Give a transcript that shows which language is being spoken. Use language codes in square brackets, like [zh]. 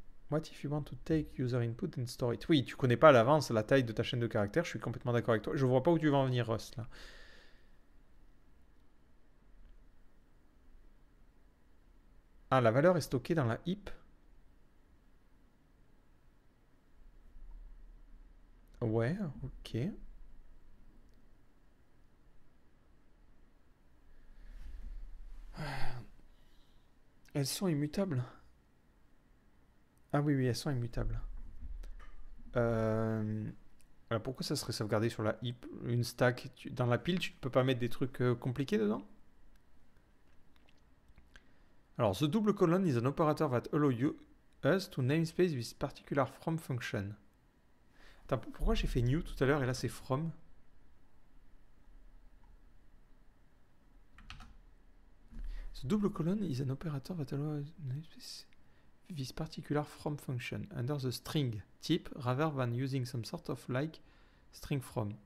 [en] What if you want to take user input and store it? [fr] Oui, tu connais pas à l'avance la taille de ta chaîne de caractères, je suis complètement d'accord avec toi. Je vois pas où tu veux en venir, Rust, là. Ah, la valeur est stockée dans la heap. Ouais, ok. Elles sont immutables. Ah oui, elles sont immutables. Alors pourquoi ça serait sauvegardé sur la heap, une stack, dans la pile, tu ne peux pas mettre des trucs compliqués dedans? Alors, ce [en] double colon is an operator that allow you us to namespace this particular from function. [fr] Attends, pourquoi j'ai fait new tout à l'heure et là c'est from? [en] Ce double colon is an operator that allow namespace this particular from function under the string type rather than using some sort of like string from.